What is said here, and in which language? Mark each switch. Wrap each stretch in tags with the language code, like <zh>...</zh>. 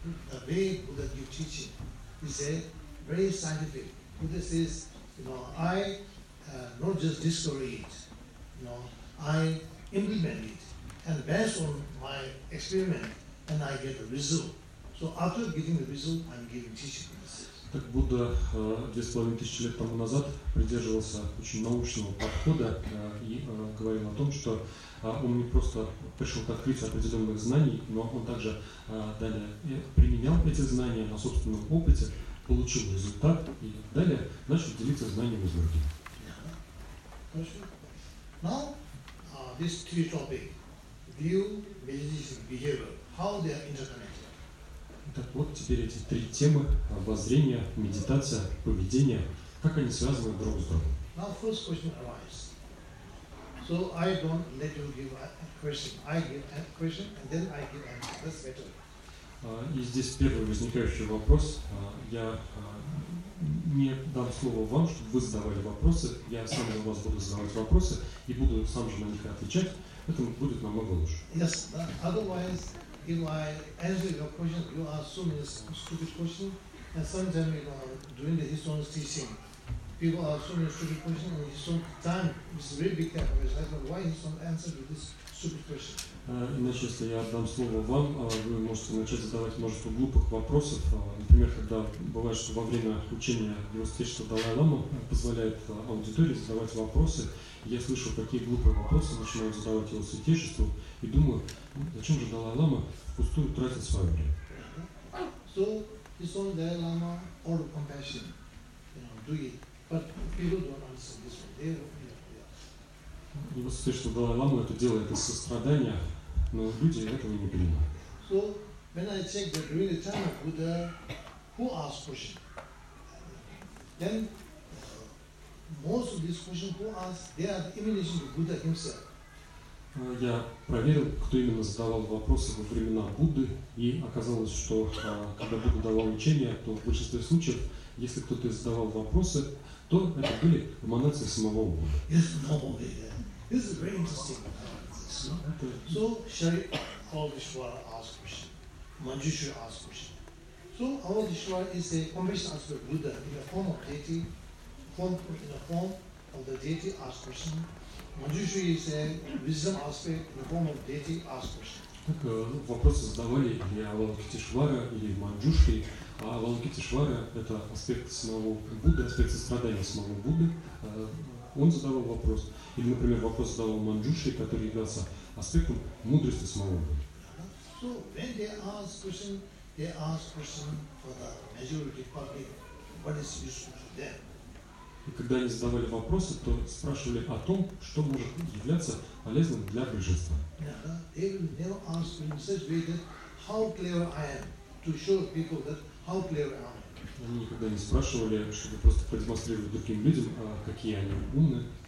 <en>The way Buddha give teaching, he said, very scientific. Buddha says, you know, I not just discover it, you know, I implement it, and based on my experiment, and I get a result. So after getting the result, I'm giving teaching.</en> <ru>Так Будда 2500 лет тому назад придерживался очень научного подхода и говорил о том, что он не просто пришел к открытию определенных знаний, но он также далее применял эти знания на собственном опыте, получил результат и далее начал делиться знаниями с другими.</ru> <en>Now, these three topics, view, meditation, behavior, how they are interconnected.</en> <ru>Так вот, теперь эти три темы – воззрение, медитация, поведение – как они связаны друг с другом?</ru> <en>Now, first question arises. So, I don't let you give a question. I give a question, and then I give an answer. That's better.</en> <ru>И здесь первый возникающий вопрос. Я не дам слово вам, чтобы вы задавали вопросы. Я сам у вас буду задавать вопросы и буду сам же на них отвечать. Это будет намного лучше.</ru> <en>Yes, otherwise… If I answer your question, you ask so many stupid questions, and sometimes you know, during the historical teaching, people ask so many stupid questions, and sometimes it's a very big difference. Why he don't answer to this stupid question?</en> <ru>Иначе, если я дам слово вам, вы можете начать задавать множество глупых вопросов. Например, когда бывает, что во время учения Велосипедиста Далай-Лама позволяет аудитории задавать вопросы, я слышу, какие глупые вопросы начинают задавать его святейшеству, и думаю, зачем же Далай-Лама впустую тратит свое время?</ru> <en>So, it's only Далай-Лама, all the compassion, do it. But people don't understand this one.</en> <ru>Его святейшество Далай-Лама это делает из сострадания, но люди этого не принимают.</ru> <en>So, when I check that during the time of Buddha, who asked question? Then, most of these questions who asked, they are the emanation of Buddha himself.</en> <ru>Я проверил, кто именно задавал вопросы во времена Будды, и оказалось, что когда Будда давал учение, то в большинстве случаев, если кто-то задавал вопросы, то это были эманации самого Будды.</ru> <en>Yes, no, yeah. This is very interesting. So, Shri Avadhishwara asked question. Manjushri asked question. So, Avadhishwara is a compassion aspect of Buddha in the form of deity, asked question. Manjushri is a wisdom aspect in the form of deity, asked question.</en> <ru>Так вопросы задавали или Авалокитишвара, или Манджушри. А Авалокитишвара – это аспект самого Будды, аспект сострадания самого Будды. Он задавал вопрос. Или, например, вопрос задавал Манджушри, который являлся аспектом мудрости самого Будды.</ru> <en>So, when they ask question for the majority public, what is useful to them?</en> <ru>И когда они задавали вопросы, то спрашивали о том, что может являться полезным для большинства.</ru> <en>They will never ask in such way that how clever I am to show people that how clever I am.</en> <ru>Они никогда не спрашивали, чтобы просто продемонстрировать другим людям, какие они умные.</ru>